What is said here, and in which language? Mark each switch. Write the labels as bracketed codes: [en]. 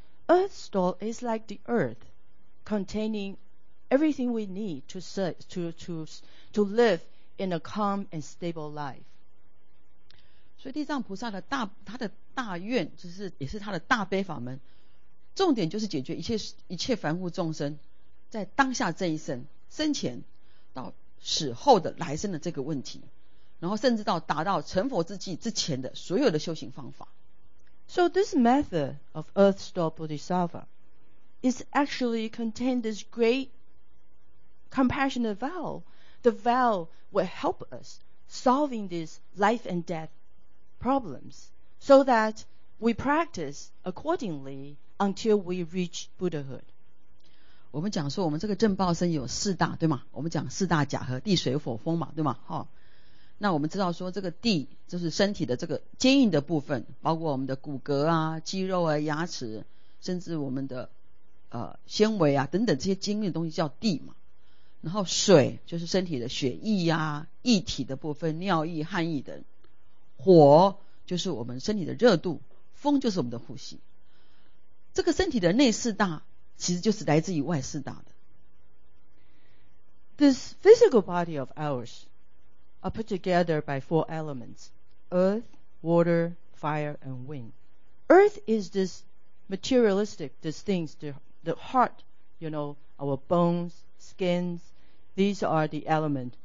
[en] Earth store is like the earth containing everything we need to serve, to live in a calm and stable life. [zh] 所以地藏菩萨的大，他的大愿就是也是他的大悲法门，重点就是解决一切凡夫众生在当下这一生生前到死后的来生的这个问题，然后甚至到达到成佛之际之前的所有的修行方法。 [en] So this method of Earth Store Bodhisattva is actually contain this great compassionate vow. The vow will help us solving these life and death problems so that we practice accordingly until we reach Buddhahood. [zh] 我们讲说我们这个正报身有四大，对吗？我们讲四大假和地水火风嘛，对吗？哦，那我们知道说这个地就是身体的这个坚硬的部分，包括我们的骨骼啊、肌肉啊、牙齿，甚至我们的纤维啊等等，这些坚硬的东西叫地嘛。然后水就是身体的血液啊、液体的部分，尿液、汗液等。火就是我们身体的热度，风就是我们的呼吸。这个身体的内四大其实就是来自于外四大的。 [en] This physical body of oursare put together by four elements, earth, water, fire, and wind. Earth is this materialistic, these things, the heart, you know, our bones, skins, these are the element.